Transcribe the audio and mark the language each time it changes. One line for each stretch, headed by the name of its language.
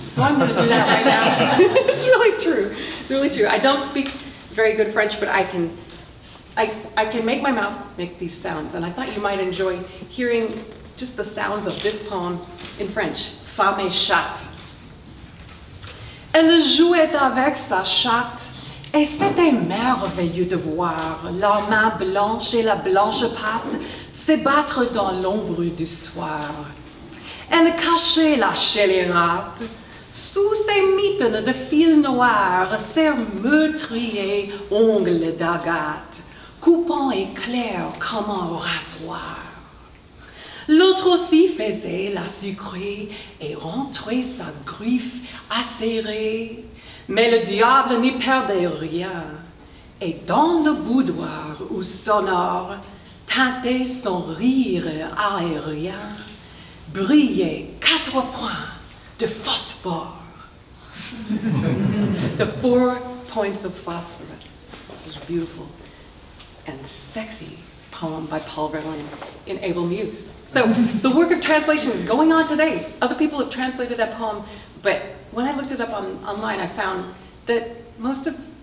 English: So I'm gonna do that right now. It's really true, it's really true. I don't speak very good French, but I can make my mouth make these sounds. And I thought you might enjoy hearing just the sounds of this poem in French, Femme et Chat.
French: Elle jouait avec sa chatte, et c'était merveilleux de voir leur main blanche et la blanche patte se battre dans l'ombre du soir. Elle cachait la scélérate sous ses mitaines de fil noir, ses meurtriers ongles d'agate, coupant éclair comme un rasoir. L'autre aussi faisait la sucrée et rentrait sa griffe acérée. Mais le diable n'y perdait rien. Et dans le boudoir où sonore tintait son rire aérien, brillaient quatre points de phosphore.
English: The four points of phosphorus. This is beautiful and sexy poem by Paul Verlaine in Able Muse. So the work of translation is going on today. Other people have translated that poem, but when I looked it up online, I found that most of